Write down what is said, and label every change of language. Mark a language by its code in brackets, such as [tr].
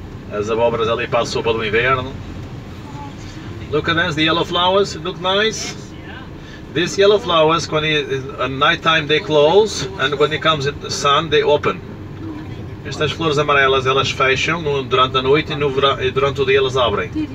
[pt] As abóboras ali para a sopa do inverno. [en] Look at that, the yellow flowers, look nice. These yellow flowers, when at night time they close, and when it comes in the sun, they open. [pt] Estas flores amarelas, elas fecham durante a noite e, e durante o dia elas abrem.